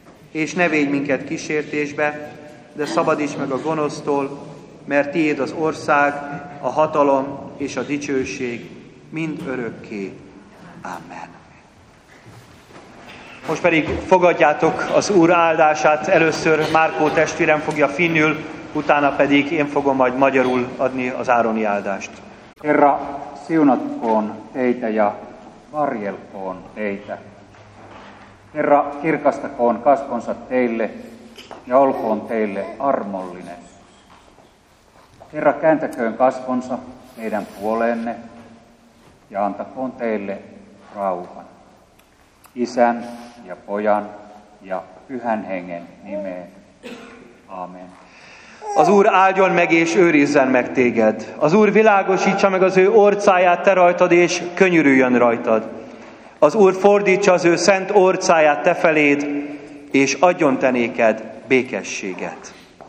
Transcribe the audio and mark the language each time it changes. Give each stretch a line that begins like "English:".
Hungarian: És ne védj minket kísértésbe, de szabadíts meg a gonosztól, mert tiéd az ország, a hatalom és a dicsőség mind örökké. Amen. Most pedig fogadjátok az Úr áldását, először Márkó testvérem fogja finnül, utána pedig én fogom majd magyarul adni az ároni áldást.
Finnish: Herra, siunatkoon teitä ja varjelkoon teitä. Herra, kirkastakoon kasvonsa teille ja olkoon teille armollinen. Herra, kääntäköön kasvonsa teidän puoleenne ja antakoon teille rauhan. Isän ja Pojan ja Pyhän Hengen nimeen. Amen.
Hungarian: Az Úr áldjon meg és őrizzen meg téged. Az Úr világosítsa meg az ő orcáját te rajtad és könyörüljön rajtad. Az Úr fordítsa az ő szent orcáját te feléd és adjon te néked békességet.